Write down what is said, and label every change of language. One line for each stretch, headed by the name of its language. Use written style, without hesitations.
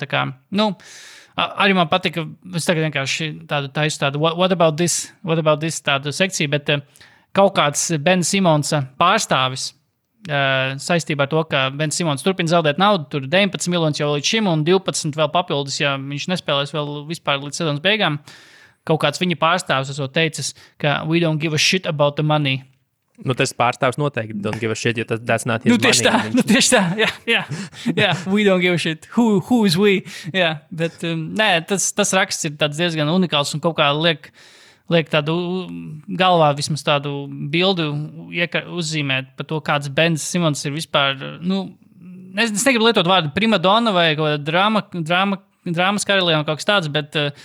Latvian: Tā kā, nu, arī man patika, es tagad vienkārši tādu taisu tādu
English: what about this
Latvian: tādu sekciju, bet kaut kāds Ben Simonsa pārstāvis, saistībā ar to, ka Ben Simmons turpina zaudēt naudu, tur 19 miljonus jau līdz šim un 12 vēl papildus, ja viņš nespēlēs vēl vispār līdz sezonas beigām. Kaut kāds viņa pārstāvs esot teicis, ka
English: we don't give a shit about the money.
Latvian: Nu, tas pārstāvs noteikti
English: don't give a shit,
Latvian: jo tas
English: that's not his
Latvian: nu,
English: money.
Latvian: Tā, nu, tieši tā,
English: yeah, we don't give a shit, who is we?
Latvian: Yeah, bet nē, tas raksts ir tāds diezgan unikāls un kaut kā liek tādu galvā vismaz tādu bildu uzzīmēt par to, kāds Bens Simons ir vispār, nu, es negribu lietot vārdu primadona vai kaut kāda drāmas karalieva kaut kas tāds, bet